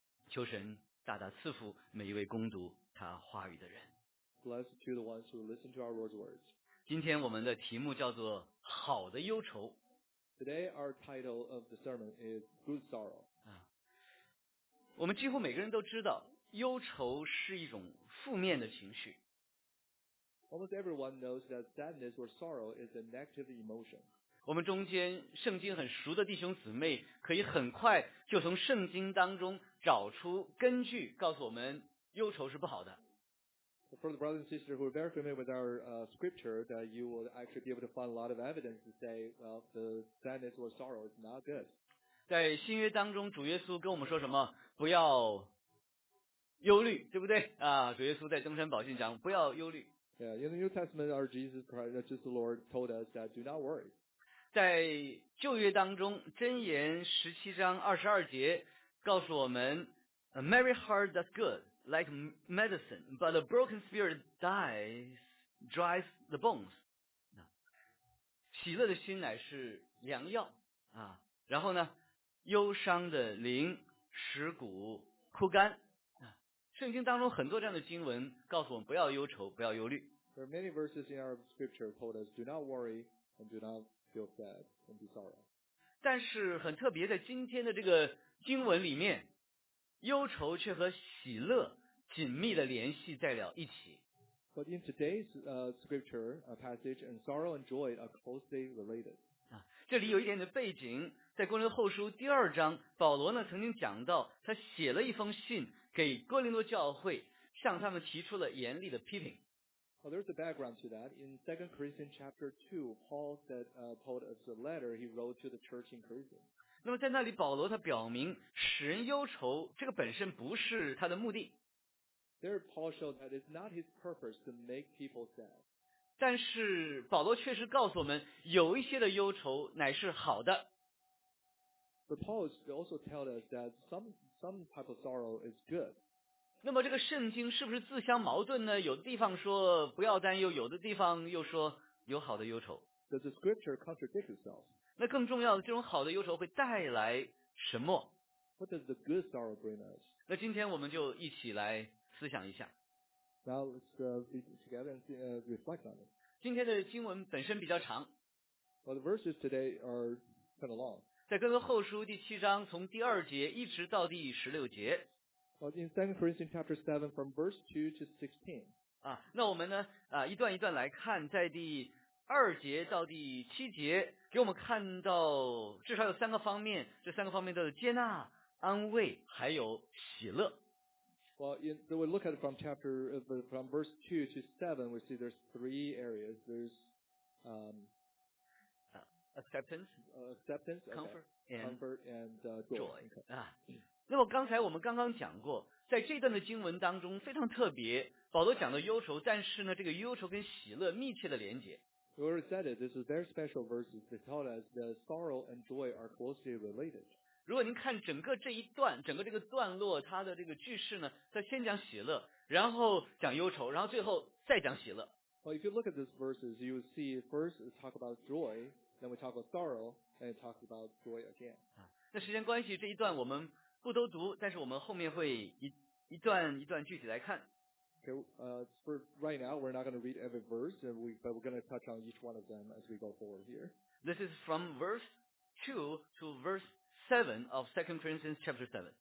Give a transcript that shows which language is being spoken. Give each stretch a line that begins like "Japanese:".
Chinese: 求神大大赐福每一位攻读他话语的人。
English: Bless to the ones who listen to our Lord's words.
Chinese: 今天我们的题目叫做好的忧愁。
English: Today our title of the sermon is Good Sorrow.
Chinese: 我们几乎每个人都知道忧愁是一种负面的情绪。
English: Almost everyone knows that sadness or sorrow is a negative emotion.
Chinese: 我们中间圣经很熟的弟兄姊妹可以很快就从圣经当中找出根据告诉我们忧愁是不好的。
English: For the brothers and sisters who are very familiar with our scripture, that you will actually be able to find a lot of evidence to say, well, the sadness or sorrow is not good.
Chinese: 在新约当中主耶稣跟我们说什么？不要忧虑，对不对？主耶稣在登山宝训讲不要忧虑。
English: Yeah, in the New Testament, our Jesus Christ, just the Lord told us that do not worry.
Chinese: 在旧约当中箴言十七章二十二节告诉我们
English: a merry heart does good. Like medicine, but a broken spirit dries the bones.
Chinese: 喜乐的心乃是良药啊。然后呢，忧伤的灵使骨枯干啊。圣经当中很多这样的经文告诉我们不要忧愁，不要忧虑。
English: There are many verses in our scripture told us do not worry and do not feel sad and be sorrow.
Chinese: 但是很特别，在今天的这个经文里面，忧愁却和喜乐紧密的联系在了一起。
English: But in today's scripture passage, and sorrow and joy are closely related.
Chinese: 这里有一点的背景，在哥林多后书第二章，保罗呢曾经讲到，他写了一封信给哥林多教会，向他们提出了严厉的批评。
English: Well, there's a background to that. In 2 Corinthians chapter 2, Paul said, told us a letter he wrote to the church in Corinth.
Chinese: 那么在那里，保罗他表明，使人忧愁这个本身不是他的目的。
English: There, Paul showed that it's not his purpose to make people sad.
Chinese: 但是保罗确实告诉我们，有一些的忧愁乃是好的。
English: But Paul also tells us that some type of sorrow is good.
Chinese: 那么这个圣经是不是自相矛盾呢？有的地方说不要担忧，有的地方又说有好的忧愁。
English: Does the scripture contradict itself?
Chinese: 那更重要的，这种好的忧愁会带来什么？
English: What does the good sorrow bring us?
Chinese: 那今天我们就一起来思想一下。
English: Now let's be together and reflect on it.
Chinese: 今天的经文本身比较长。
English: Well, the verses today are kind of long.
Chinese: 在哥林多后书第七章，从第二节一直到第十六节。
English: In 2 Corinthians chapter 7 from verse 2 to 16.
Chinese: 啊，那我们呢，啊，一段一段来看，在第二节到第七节，给我们看到至少有三个方面，这三个方面都是接纳、安慰，还有喜乐。
English: Well, so we look at it from verse 2 to 7, we see there's three areas. There's acceptance, comfort, and joy.
Chinese: Okay. 啊，那么刚才我们刚刚讲过，在这段的经文当中非常特别，保罗讲到忧愁，但是呢，这个忧愁跟喜乐密切的连结。
English: We already said it. This is very special verses that tell us that sorrow and joy are closely related.
Chinese: 如果您看整个这一段，整个这个段落，它的这个句式呢，它先讲喜乐，然后讲忧愁，然后最后再讲喜乐。
English: Well, if you look at these verses, you see first talk about joy, then we talk about sorrow, and talk about joy again.
Chinese: 那时间关系，这一段我们不都读，但是我们后面会一段一段具体来看。
English: Okay, for right now, we're not going to read every verse, but we're going to touch on each one of them as we go forward here. This is from verse 2 to verse 7 of 2 Corinthians chapter 7.